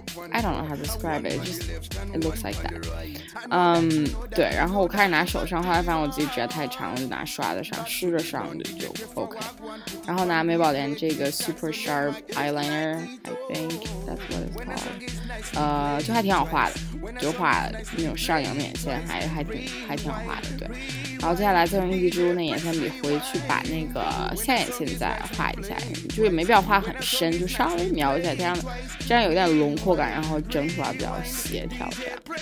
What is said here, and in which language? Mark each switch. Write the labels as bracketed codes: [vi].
[en] I don't know how to describe it, just it looks like that. [zh] 对，然后我开始拿手上，后来发现我自己指甲太长，我就拿刷子上，试着上就 OK。然后拿美宝莲这个 [en] Super Sharp Eyeliner, I think that's what it's called. [zh] 就还挺好画的，就画那种上扬的眼线，还挺好画的，对。然后接下来再用一支那眼线笔回去把那个下眼线再画一下，就也没必要画很深，就稍微描一下，这样有点轮廓感，然后整体比较协调这样。